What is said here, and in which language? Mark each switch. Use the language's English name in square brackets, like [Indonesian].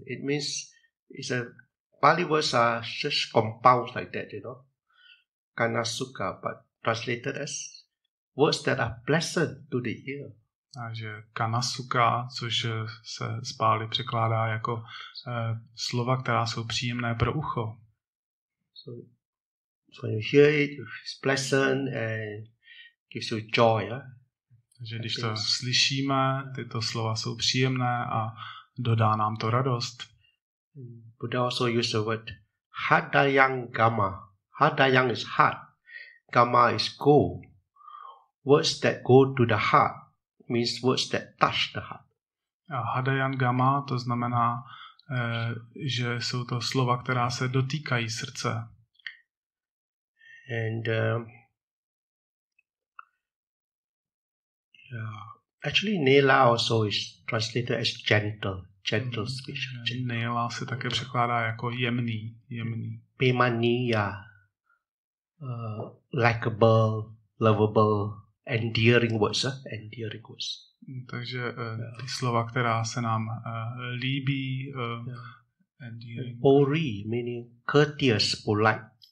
[English] It means it's a Pali words are just compounds like that, you know. Kana suka, but translated as words that are pleasant to the ear. [Czech] Takže kana suka, což se z Pali překládá jako slova, která jsou příjemné pro ucho. [English] So when you hear it, it's pleasant and gives you joy. [Czech] Takže když to slyšíme, tyto slova jsou příjemné a dodá nám to radost. [English] Buddha also used the word Hadayangama. Hadayang is heart. Gama is goal. Words that go to the heart means words that touch the heart. [Czech] Hadayangama to znamená, že jsou to slova, která se dotýkají srdce. [English] And actually, Nela also is translated as gentle, gentle speech. [Czech] Nela se také překládá jako jemný, jemný. [English] Pemaniya, likable, lovable, endearing words, endearing words. [Czech] Takže ty slova, která se nám líbí, endearing. [English] Pori, meaning courteous, polite.